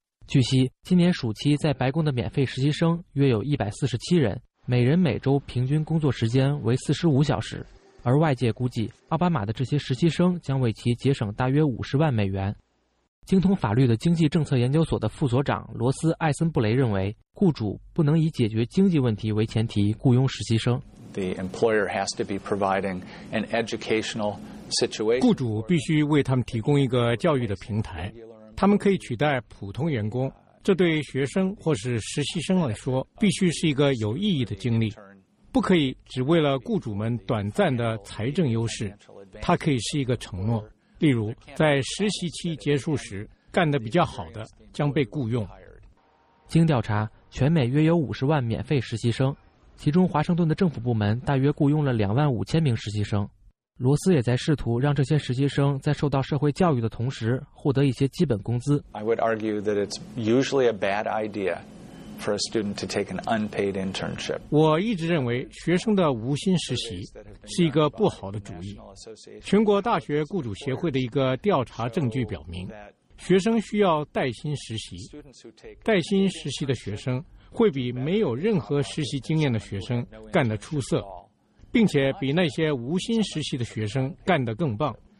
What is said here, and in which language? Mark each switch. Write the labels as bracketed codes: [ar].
[zh] 据悉，今年暑期在白宫的免费实习生约有147人，每人每周平均工作时间为45小时。而外界估计，奥巴马的这些实习生将为其节省大约50万美元。精通法律的经济政策研究所的副所长罗斯·艾森布雷认为，雇主不能以解决经济问题为前提雇佣实习生。 [en] The employer has to be providing an educational situation. [zh] 雇主必须为他们提供一个教育的平台，他们可以取代普通员工，这对学生或是实习生来说必须是一个有意义的经历，不可以只为了雇主们短暂的财政优势，它可以是一个承诺。例如，在实习期结束时，干得比较好的将被雇用。经调查，全美约有50万免费实习生，其中华盛顿的政府部门大约雇佣了25000名实习生。罗斯也在试图让这些实习生在受到社会教育的同时获得一些基本工资。 [en] I would argue that it's usually a bad idea for a student to take an unpaid internship. [zh] 我一直认为学生的无薪实习是一个不好的主意。全国大学雇主协会的一个调查证据表明，学生需要带薪实习。带薪实习的学生会比没有任何实习经验的学生干得出色，并且比那些无薪实习的学生干得更棒。